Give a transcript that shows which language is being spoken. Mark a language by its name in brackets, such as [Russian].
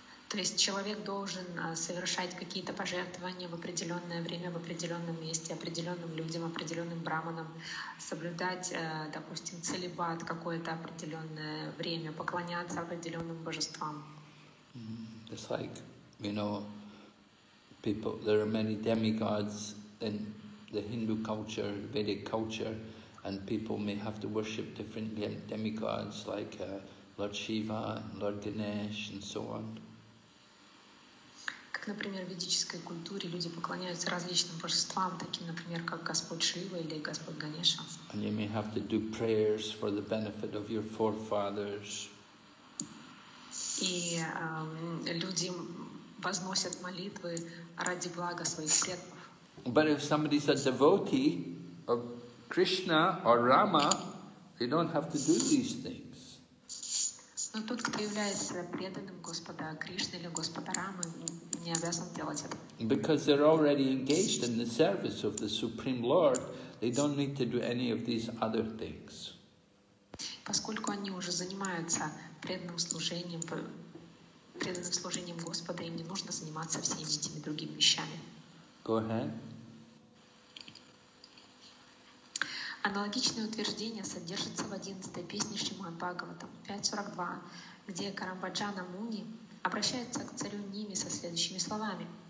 [Russian] То есть человек должен совершать какие-то пожертвования в определенное время, в определенном месте, определенным людям, определенным браманам, соблюдать, допустим, целибат какое-то определенное время, поклоняться определенным божествам. [English] It's like, you know, people, there are many demigods in the Hindu culture, Vedic culture, and people may have to worship different demigods, like Lord Shiva, Lord Ganesh, and so on. [Russian] Например, в ведической культуре люди поклоняются различным божествам, таким, например, как Господь Шива или Господь Ганеша. [English] And you may have to do prayers for the benefit of your forefathers. [Russian] И люди возносят молитвы ради блага своих предков. [English] But if somebody's a devotee of Krishna or Rama, they don't have to do these things. [Russian] Но тот, кто является преданным Господа Кришны или Господа Рамы, не обязан делать это. [English] Because they're already engaged in the service of the Supreme Lord, they don't need to do any of these other things. [Russian] Поскольку они уже занимаются преданным служением Господа, им не нужно заниматься всеми этими другими вещами. [English] Go ahead. [Russian] Аналогичное утверждение содержится в 11-й песне Шримад-Бхагаватам 5.42, где Карамбаджана Муни обращается к царю Ними со следующими словами.